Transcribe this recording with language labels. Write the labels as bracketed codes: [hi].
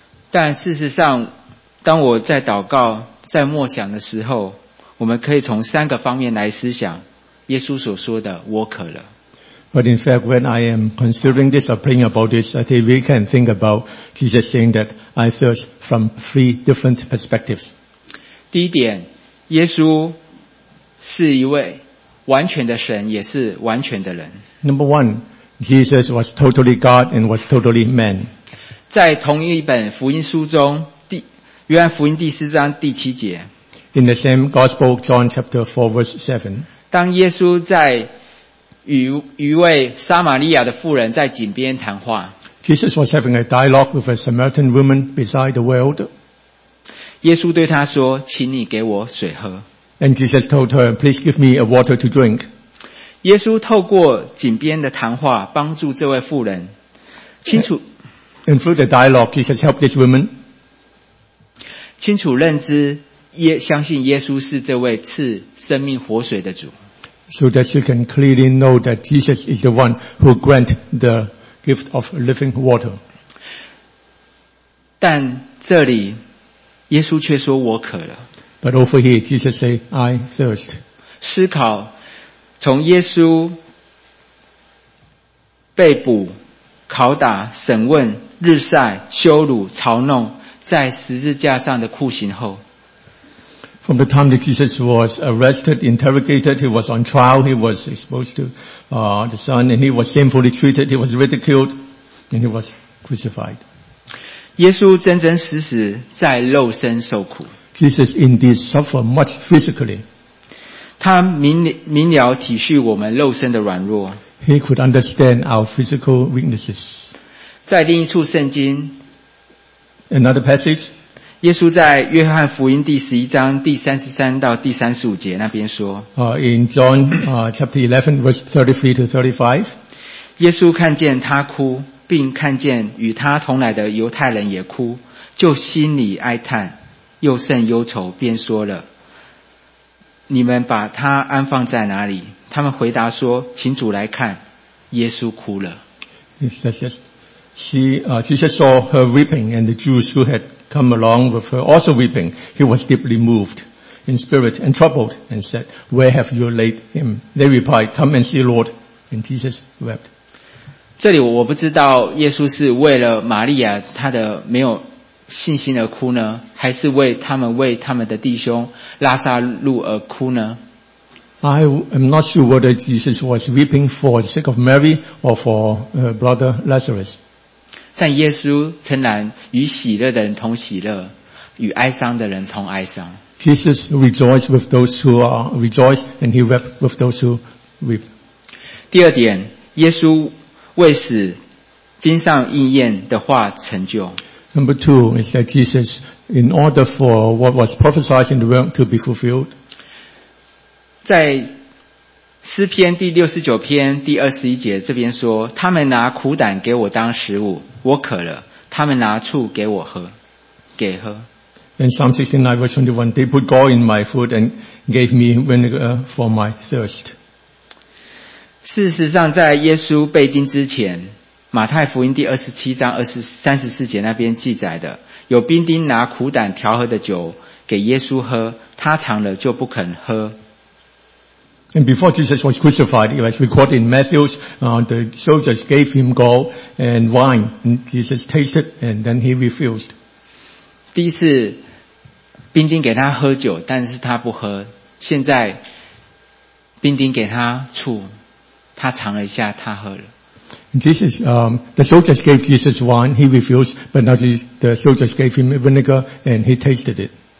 [zh] 但事实上，当我在祷告、在默想的时候，我们可以从三个方面来思想耶稣所说的“我渴了”。 [en] But in fact, when I am considering this or praying about this, I think we can think about Jesus saying that I thirst from three different perspectives. [zh] 第一点，耶稣是一位完全的神，也是完全的人。 [en] Number one, Jesus was totally God and was totally man. [zh] 在同一本福音书中，约翰福音第四章第七节。 [en] In the same gospel, John chapter 4 verse 7. [zh] 当耶稣在与一位撒玛利亚的妇人在井边谈话。 [en] Jesus was having a dialogue with a Samaritan woman beside the well. [zh] 耶稣对他说，请你给我水喝。 [en] And Jesus told her, please give me a water to drink. [zh] 耶稣透过井边的谈话帮助这位妇人清楚。 [en] And through the dialogue, Jesus helped this woman. [zh] 清楚认知相信耶稣是这位赐生命活水的主。 [en] So that she can clearly know that Jesus is the one who grant the gift of living water. [zh] 但这里耶稣却说我渴了。 [en] But over here, Jesus say, I thirst. [zh] 思考从耶稣被捕、拷打、审问、日晒、羞辱、嘲弄，在十字架上的酷刑后。 [en] From the time that Jesus was arrested, interrogated, he was on trial, he was exposed to, the sun, and he was shamefully treated, he was ridiculed, and he was crucified. [zh] 耶稣真真实实在肉身受苦。 [en] Jesus indeed suffered much physically. [zh] 他明了体恤我们肉身的软弱。 [en] He could understand our physical weaknesses. [zh] 在另一处圣经。 [en] Another passage. [zh] 耶稣在约翰福音第十一章第三十三到第三十五节那边说。 [en] In John chapter 11 verse 33 to 35. [zh] 耶稣看见他哭。并看见与他同来的犹太人也哭，就心里哀叹，又甚忧愁，便说了：“你们把他安放在哪里？” 他们回答说：“请主来看。” 耶稣哭了。 [en] Jesus saw her weeping, and the Jews who had come along with her also weeping. He was deeply moved in spirit and troubled, and said, "Where have you laid him?" They replied, "Come and see, Lord." And Jesus wept. [zh] 这里我不知道耶稣是为了玛利亚他的没有信心而哭呢，还是为他们的弟兄拉撒路而哭呢？ [en] I am not sure whether Jesus was weeping for the sake of Mary or for brother Lazarus. [zh] 但耶稣诚然与喜乐的人同喜乐，与哀伤的人同哀伤。 [en] Jesus rejoiced with those who are rejoiced and he wept with those who weep. [zh] 第二点，耶稣为使经上应验的话成就。 [en] Number two is that Jesus, in order for what was prophesied in the realm to be fulfilled. [zh] 在诗篇第69篇第21节这边说，他们拿苦胆给我当食物，我渴了，他们拿醋给我喝，给喝。 [en] In Psalm 69 verse 21, they put gall in my food and gave me vinegar for my thirst. [zh] 事实上在耶稣被钉之前，马太福音第27章34节那边记载的，有兵丁拿苦胆调和的酒给耶稣喝，他尝了就不肯喝。 [en] And before Jesus was crucified, it was recorded in Matthew, the soldiers gave him gall and wine, and Jesus tasted and then he refused. [zh] 第一次兵丁给他喝酒，但是他不喝，现在兵丁给他醋。他尝了一下，他喝了。 [en] Jesus, the soldiers gave Jesus wine, he refused, but now the soldiers gave him vinegar and he tasted it.